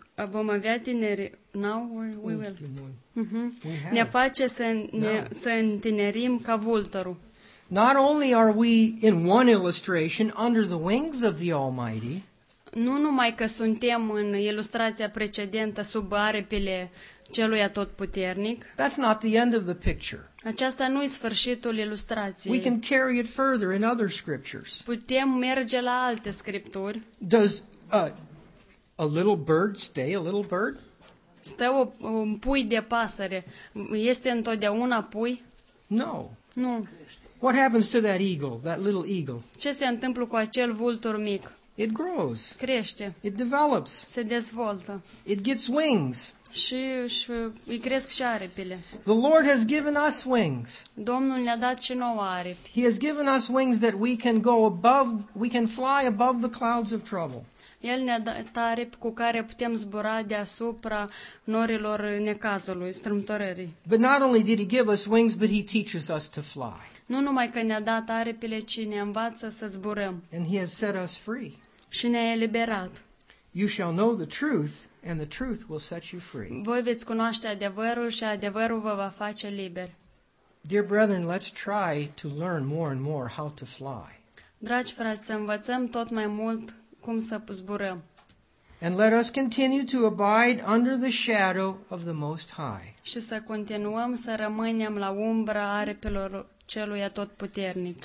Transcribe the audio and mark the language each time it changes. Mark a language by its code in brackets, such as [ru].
[ro] Vom avea tineri. [en] Now or we will. Mm-hmm. [ro] Ne face să întinerim ca vulturul. [en] Not only are we in one illustration under the wings of the Almighty. [ro] Nu numai că suntem în ilustrația precedentă sub aripile celui atotputernic. [en] That's not the end of the picture. [ro] Aceasta nu e sfârșitul ilustrației. [en] We can carry it further in other scriptures. [ro] Putem merge la alte scripturi. [en] Does a little bird stay a little bird? [ro] Stă un pui de pasăre. Este întotdeauna pui? [en] No. [ro] Nu. [en] What happens to that eagle, that little eagle? [ro] Ce se întâmplă cu acel vultur mic? [en] It grows. [ro] Crește. [en] It develops. [ro] Se dezvoltă. [en] It gets wings. [ro] Și îi cresc și aripile. [en] The Lord has given us wings. [ro] Domnul ne-a dat și nouă aripi. [en] He has given us wings that we can go above, we can fly above the clouds of trouble. [ro] El ne-a dat aripi cu care putem zbura deasupra norilor necazului, strâmtorării. [en] But not only did he give us wings, but he teaches us to fly. [ro] Nu numai că ne-a dat aripile, ci ne învață să zburăm. [en] And he has set us free. [ro] Și ne-a eliberat. [en] You shall know the truth, and the truth will set you free. [ro] Voi veți cunoaște adevărul și adevărul vă va face liberi. [en] Dear brethren, let's try to learn more and more how to fly. [ro] Dragi frați, să învățăm tot mai mult cum să zburăm. [en] And let us continue to abide under the shadow of the Most High. [ro] Și să continuăm să rămânem la umbra aripilor celui atotputernic.